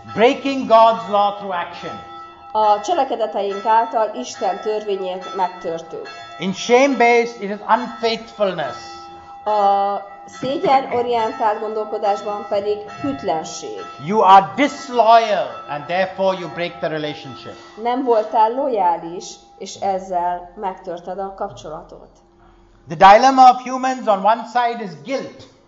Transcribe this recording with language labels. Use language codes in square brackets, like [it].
[en] Breaking God's law through action. [hu] A cselekedeteink által Isten törvényét megtörtük. [en] In shame-based, it is unfaithfulness. [hu] A szégyen-orientált gondolkodásban pedig hűtlenség. [en] You are disloyal, and therefore you break the relationship. [hu] Nem voltál lojális, és ezzel megtörted a kapcsolatot. [en] The dilemma of humans on one side is guilt.